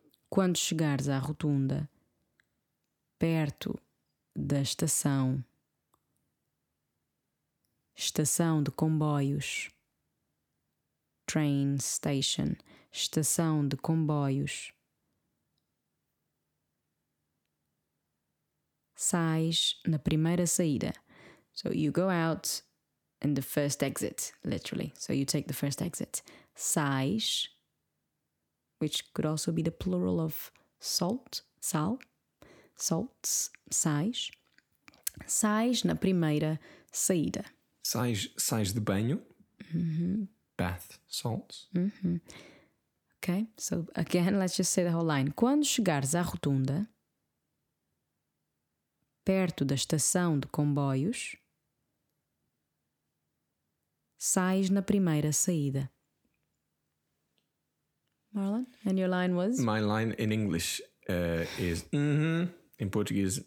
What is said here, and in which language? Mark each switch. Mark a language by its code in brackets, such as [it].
[pt] Quando chegares à rotunda, perto da estação, estação de comboios, [en] train station, [pt] estação de comboios, sais na primeira saída. [en] So you go out in the first exit, literally. So you take the first exit. Sais, which could also be the plural of salt, sal, salts, sais. [pt] Sais na primeira saída. Sais de banho. Mm-hmm. [en] Bath salts. Mm-hmm. Okay, so again, let's just say the whole line. [pt] Quando chegares à rotunda, perto da estação de comboios, sais na primeira saída. [en] Marlon, and your line was? My line in English is in Portuguese,